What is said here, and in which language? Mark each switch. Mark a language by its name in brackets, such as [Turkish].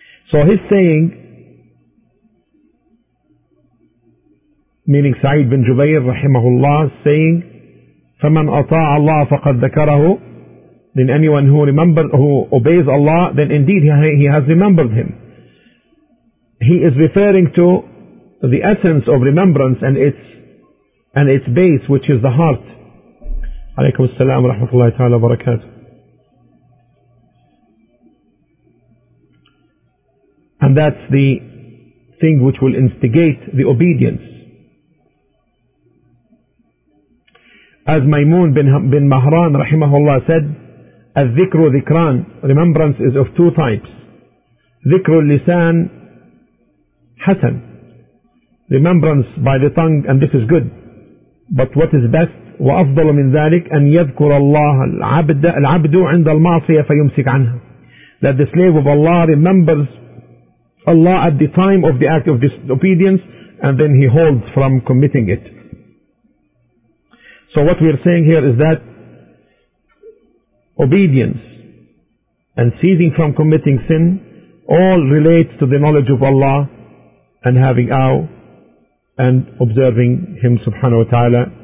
[English] So his saying, meaning Sa'id bin Jubayr rahimahullah, saying, [Arabic] فَمَنْ أَطَاعَ اللَّهَ فَقَدْ ذَكَرَهُ. [English] Then anyone who remembers, who obeys Allah, then indeed he has remembered him. He is referring to the essence of remembrance and its base, which is the heart. [Arabic] عليكم السلام ورحمة الله تعالى وبركاته. [English] And that's the thing which will instigate the obedience. As Maymoon bin Mahran rahimahullah said, [Arabic] الذكر ذكران. [English] Remembrance is of two types. [Arabic] ذكر اللسان حسن. [English] Remembrance by the tongue, and this is good. But what is best? [Arabic] وأفضل من ذلك أن يذكر الله العبد عند المعصية فيمسك عنها. [English] That the slave of Allah remembers Allah at the time of the act of disobedience, and then he holds from committing it. So what we are saying here is that obedience and ceasing from committing sin all relates to the knowledge of Allah and having awe and observing Him subhanahu wa ta'ala.